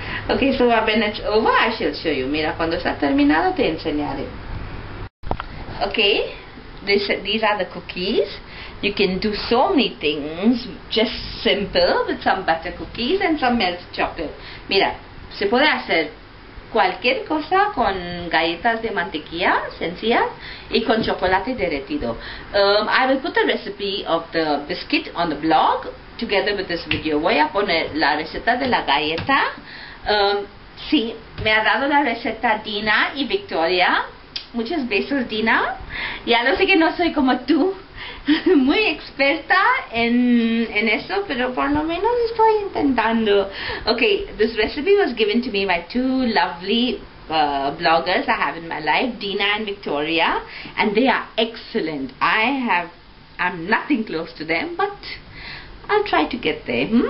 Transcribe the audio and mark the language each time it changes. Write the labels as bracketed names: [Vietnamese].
[English] Okay, so when it's over, I shall show you. [Spanish] Mira, cuando está terminado, te enseñaré. [English] Okay, these are the cookies. You can do so many things, just simple, with some butter cookies and some melted chocolate. [Spanish] Mira, se puede hacer cualquier cosa con galletas de mantequilla, sencillas, y con chocolate derretido. [English] I will put the recipe of the biscuit on the blog, together with this video. [Spanish] Voy a poner la receta de la galleta. Sí, me ha dado la receta Dina y Victoria. Muchos besos, Dina. Ya lo sé que no soy como tú, muy experta en eso, pero por lo menos estoy intentando. [English] Okay, this recipe was given to me by two lovely bloggers I have in my life, Dina and Victoria, and they are excellent. I'm nothing close to them, but I'll try to get there.